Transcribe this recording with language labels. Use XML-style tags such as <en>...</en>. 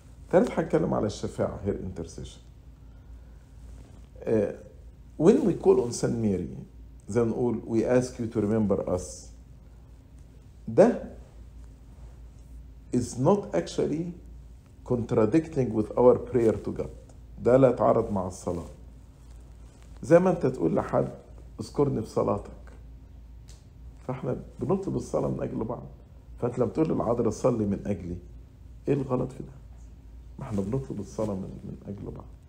<ar>ثالث هنتكلم على الشفاعة</ar> <en>her intercession. When we call on Saint Mary, then we ask you to remember us. That is not actually contradicting with our prayer to God.</en> <ar>ده لا يتعارض مع الصلاة. زي ما انت تقول لحد اذكرني في صلاتك. فاحنا بنطلب الصلاة من اجل بعض. فانت لما تقول للعذراء صلي من اجلي. ايه الغلط في ده؟ ما احنا بنطلب الصلاة من اجل بعض.</ar>